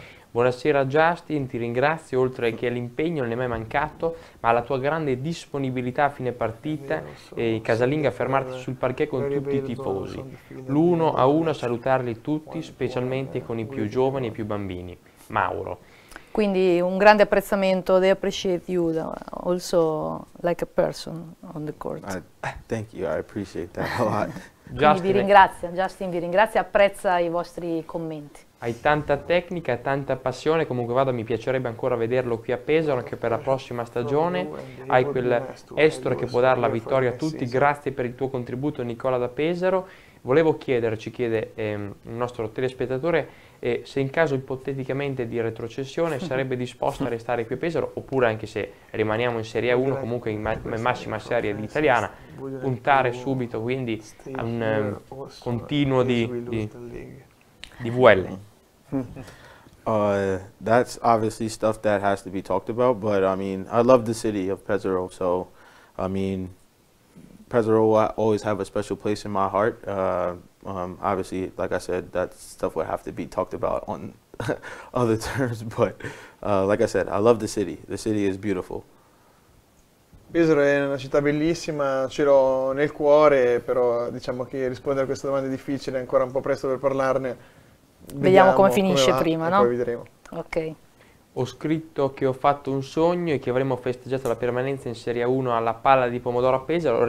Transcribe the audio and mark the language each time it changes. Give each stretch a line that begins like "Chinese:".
Italian: Buonasera Justin, ti ringrazio, oltre che l'impegno non è mai mancato, ma la tua grande disponibilità a fine partita e casalinga a fermarti sul parquet con tutti i tifosi. L'uno a uno a salutarli tutti, specialmente con i più giovani e più bambini. Mauro. Quindi un grande apprezzamento.
English: They appreciate you also like a person on the court. Thank you, I appreciate that a lot.
Italian: Justin, vi ringrazio, Justin vi ringrazio, apprezza i vostri commenti. Hai tanta tecnica, tanta passione, comunque vado, mi piacerebbe ancora vederlo qui a Pesaro anche per la prossima stagione. Hai quel estro che può dare la vittoria a tutti, grazie per il tuo contributo Nicola da Pesaro. Volevo chiedere, ci chiede il nostro telespettatore, se in caso ipoteticamente di retrocessione sarebbe disposto a restare qui a Pesaro, oppure anche se rimaniamo in Serie A 1, comunque in massima serie di italiana, puntare subito quindi a un continuo di VL.
English: That's obviously stuff that has to be talked about, but I mean, I love the city of Pesaro, so I mean, Pesaro will always have a special place in my heart. Obviously, like I said, that stuff would have to be talked about on other terms, but like I said, I love the city. The city is beautiful.
Italian: Pesaro è una città bellissima, ce l'ho nel cuore, però diciamo che rispondere a questa domanda è difficile, è ancora un po' presto per parlarne. Vediamo come finisce come prima, no? Poi vedremo. Ok. Ho scritto che ho fatto un sogno e che avremo festeggiato la permanenza in Serie 1 alla Palla di Pomodoro a Pesaro.